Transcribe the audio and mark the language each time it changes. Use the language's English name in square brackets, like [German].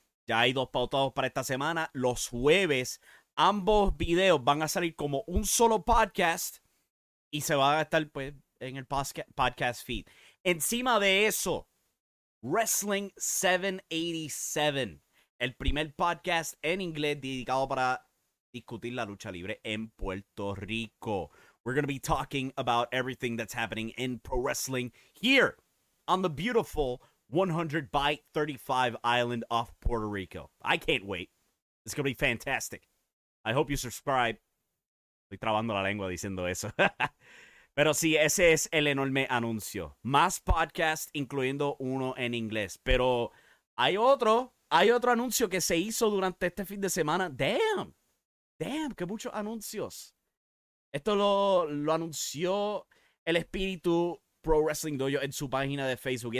[Spanish] Ya hay dos pautados para esta semana. Los jueves, ambos videos van a salir como un solo podcast y se va a estar, pues, en el podcast feed. Encima de eso, Wrestling 787, el primer podcast en inglés dedicado para discutir la lucha libre en Puerto Rico. [English] We're going to be talking about everything that's happening in pro wrestling here on the beautiful 100 by 35 island off Puerto Rico. I can't wait. It's going to be fantastic. I hope you subscribe. [Spanish] Estoy trabando la lengua diciendo eso. Pero sí, ese es el enorme anuncio. Más podcasts, incluyendo uno en inglés. Pero hay otro anuncio que se hizo durante este fin de semana. Damn, qué muchos anuncios. Esto lo anunció el Espíritu Pro Wrestling Dojo en su página de Facebook.